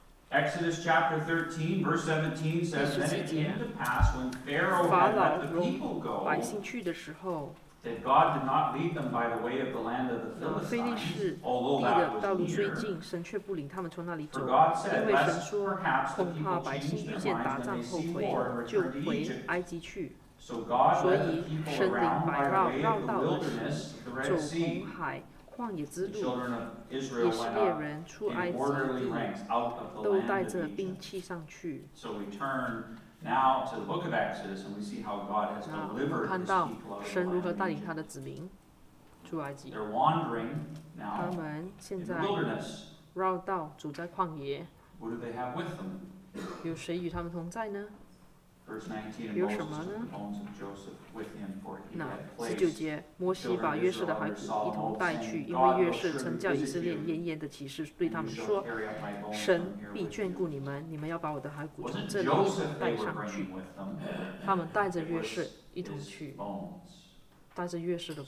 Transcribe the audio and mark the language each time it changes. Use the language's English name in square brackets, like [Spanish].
[English] Exodus chapter 13, verse 17 says, Then it came to pass when Pharaoh had let the people go, [Chinese] 百姓去的时候 [English] That God did not lead them by the way of the land of the Philistines, although that was near. [Chinese] 神却不领他们从那里走。 [English] For God said, [Chinese] 因为神说，恐怕百姓遇见打仗后悔，就回埃及去。所以神领百绕绕道而行，走红海旷野之路。以色列人出埃及地，都带着兵器上去。 [English] So we turn. Now to the book of Exodus, and we see how God has delivered his people out of Egypt. [Chinese] 神如何带领他的子民出埃及。 [English] They're wandering now in the wilderness. [Chinese] 绕道走在旷野。 [English] What do they have with them? [Chinese] 有谁与他们同在呢？ [English] Verse 19, Moses took the bones of Joseph with him, for he had placed. [Chinese] 十九节，摩西把约瑟的骸骨一同带去，因为约瑟曾叫以色列严严的起誓，对他们说：“神必眷顾你们，你们要把我的骸骨从这里带上去。” 他们带着约瑟一同去，带着约瑟的骨。